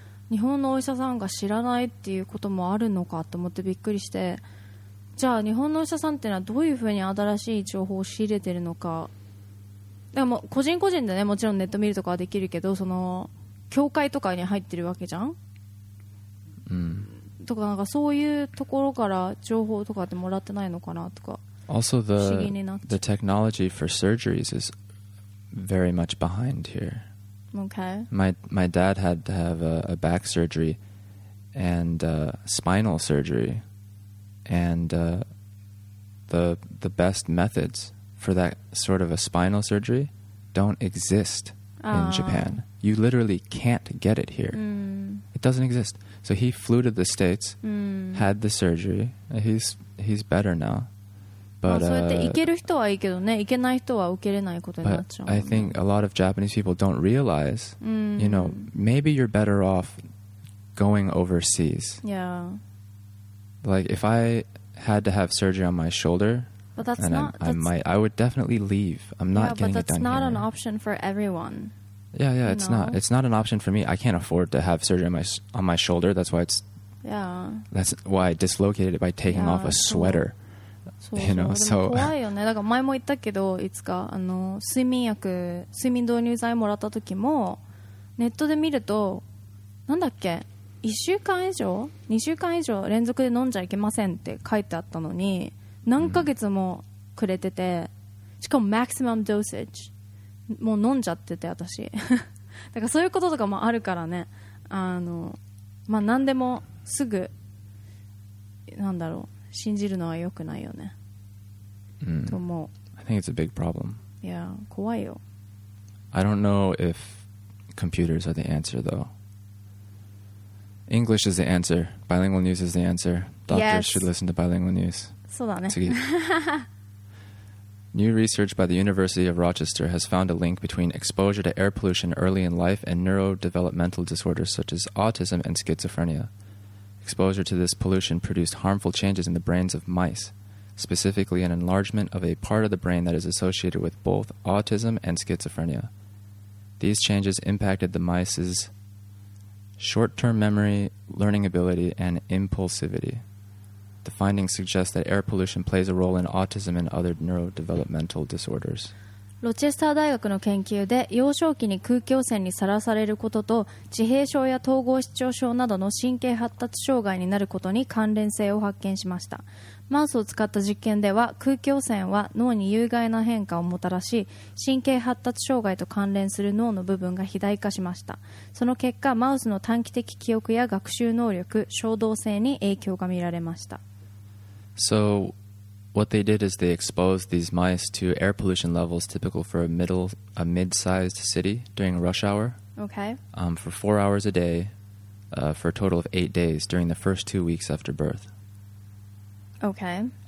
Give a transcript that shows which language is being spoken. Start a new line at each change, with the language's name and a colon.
Japanese: 日本のお医者さんが知らないっていうこともあるのかと思ってびっくりして、じゃあ日本のお医者さんっていうのはどういうふうに新しい情報を仕入れてるのか、でも個人個人でね、もちろんネット見るとかはできるけど、その教会とかに入ってるわけじゃん、うん、とかなんかそういうところから情報とかってもらってないのかなとか。
English: Also the technology for surgeries is very much behind here. Okay. My dad had to have a back surgery and a spinal surgery, and the best methods for that sort of a spinal surgery don't exist in Japan. You literally can't get it here. Mm. It doesn't exist. So he flew to the States, had the surgery. He's better now. But, but I think a lot of Japanese people don't realize, you know, maybe you're better off going overseas. Yeah. Like if I had to have surgery on my shoulder, but that's not, I would definitely leave. I'm not getting it done here. Yeah, but that's not an option for everyone. Yeah, yeah, it's not. It's not an option for me. I can't afford to have surgery on my shoulder. That's why it's... Yeah. That's why I dislocated it by taking off a sweater. You know, so...
Japanese: でも怖いよね。だから前も言ったけど、いつか、あの、睡眠導入剤もらった時も、ネットで見ると、なんだっけ、1週間以上、2週間以上連続で飲んじゃいけませんって書いてあったのに、何ヶ月もくれてて、しかもマキシマムドーセージもう飲んじゃってて私だからそういうこととかもあるからね、あの、まあ、何でもすぐなんだろう信じるのは良くないよね、と思う。
English: I think it's a big problem.
Japanese: Yeah, 怖いよ。
English: I don't know if computers are the answer though. English is the answer. Bilingual news is the answer. Doctors yes. should listen to bilingual news.
Japanese: そうだね。
English: New research by the University of Rochester has found a link between exposure to air pollution early in life and neurodevelopmental disorders such as autism and schizophrenia. Exposure to this pollution produced harmful changes in the brains of mice, specifically an enlargement of a part of the brain that is associated with both autism and schizophrenia. These changes impacted the mice's short-term memory, learning ability, and impulsivity. The findings suggest that air pollution plays a role in autism and other neurodevelopmental disorders.
Japanese: ロチェスター大学の研究で、幼少期に空気汚染にさらされることと、自閉症や統合失調症などの神経発達障害になることに関連性を発見しました。マウスを使った実験では、空気汚染は脳に有害な変化をもたらし、神経発達障害と関連する脳の部分が肥大化しました。その結果、マウスの短期的記憶や学習能力、衝動性に影響が見られました。
English: So, what they did is they exposed these mice to air pollution levels typical for a mid-sized city during rush hour. Okay. For 4 hours a day, for a total of 8 days during the first 2 weeks after birth. Okay.